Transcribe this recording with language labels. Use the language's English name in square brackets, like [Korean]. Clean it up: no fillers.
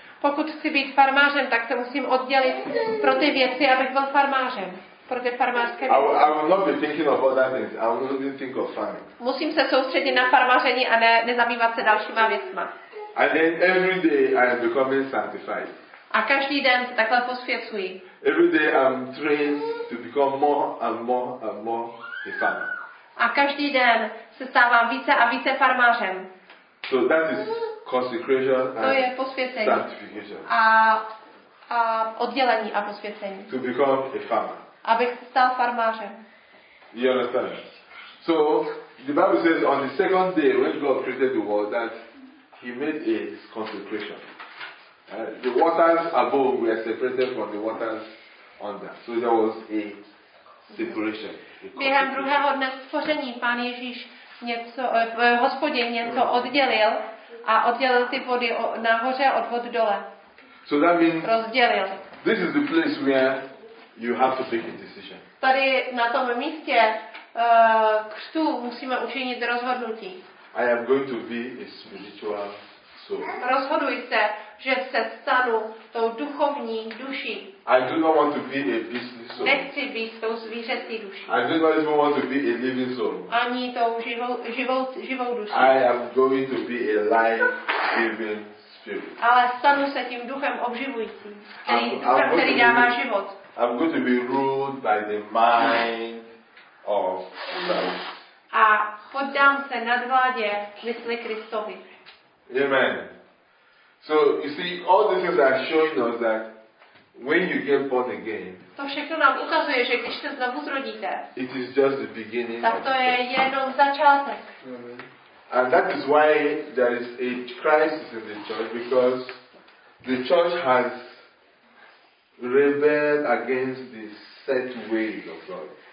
[Czech] Pokud chci být farmářem, tak se musím oddělit pro ty věci, abych byl farmářem. Pro ty farmářské věci. [English] I will not be thinking of other things. I will not be thinking of farming. [Czech] Musím se soustředit na farmáření a nezabývat se dalšíma věcma. [English] And then every day I am becoming sanctified. [Czech] A každý den se takhle posvěcuji. [English] Every day I'm trained to become more and more and more a farmer. [Czech] A každý den se stávám více a více farmářem. [English] So that is consecration and [Czech] to je posvěcení. [English] Sanctification. [Czech] A oddělení a posvěcení. [English] To become a farmer. [Czech] Abych se stal farmářem. [English] You understand? So the Bible says on the second day when God created the world that he made a consecration. The waters above were separated from the waters under. So there was a separation. [Czech] Během druhého dne stvoření Pán Ježíš něco, Hospodin něco oddělil a oddělil ty vody nahoře od vod dole. [English] So that means [Czech] rozdělil. [English] This is the place where you have to make a decision. [Czech] Tady na tom místě křtu musíme učinit rozhodnutí. [English] I am going to be a spiritual. [Czech] Rozhoduj se, že se stanu tou duchovní duší. [English] I do not want to be a business soul. [Czech] Nechci být tou zvířecí duší. [English] I do not even want to be a living soul. [Czech] Ani tou živou duší. [English] I am going to be a life-giving spirit. [Czech] Ale stanu se tím duchem obživujícím, který dává život. [English] I'm going to be ruled by the mind of Christ. [Czech] A poddám se nadvládě mysli Kristovi. [English] Amen. So you see, all these things are showing us that when you get born again, [Czech] to všechno nám ukazuje, že když se znovu zrodíte, [English] it is just the beginning. [Czech] Tak to je jenom začátek. [English] And that is why there is a crisis in the church, because the church has rebelled against the set ways of God.